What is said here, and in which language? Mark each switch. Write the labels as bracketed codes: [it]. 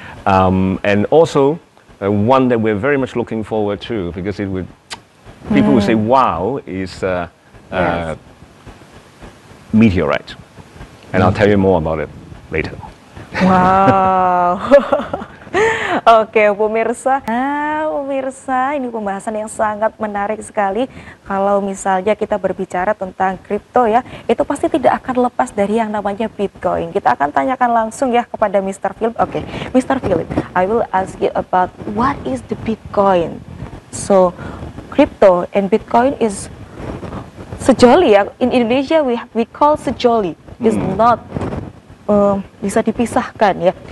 [en] And also, one that we're very much looking forward to, because it would, people would say, wow, is meteorite. And I'll tell you more about it later. [id] Wow. Oke, pemirsa. Nah, pemirsa, ini pembahasan yang sangat menarik sekali. Kalau misalnya kita berbicara tentang kripto ya, itu pasti tidak akan lepas dari yang namanya Bitcoin. Kita akan tanyakan langsung ya kepada Mr. Philip. Oke, Mr. [en] Philip, I will ask you about what is the Bitcoin. So, crypto and Bitcoin is sejoli ya. In Indonesia we call sejoli. It's not [id] bisa dipisahkan ya.